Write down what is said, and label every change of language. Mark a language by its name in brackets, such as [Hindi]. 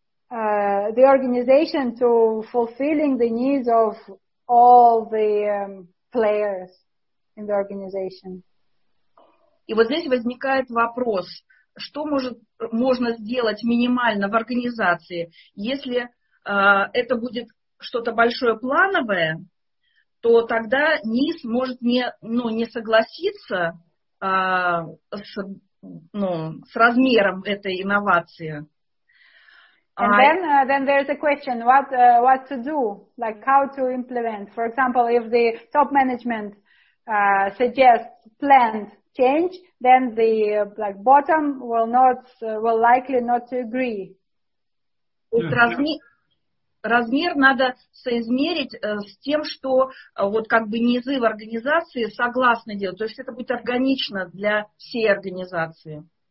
[English] the organization to fulfilling the needs of all the players in the organization. [Russian] И вот здесь возникает вопрос, что может, можно сделать минимально в организации, если это будет что-то большое плановое, то тогда НИС может не согласиться с размером этой инновации. [English] And then there is a question, what to do, like how to implement. For example, if the top management suggests planned change, then the like bottom will likely not to agree. [Russian] Размер надо соизмерить с тем, что вот как бы низы в организации согласны делать. То есть это будет органично для всей организации.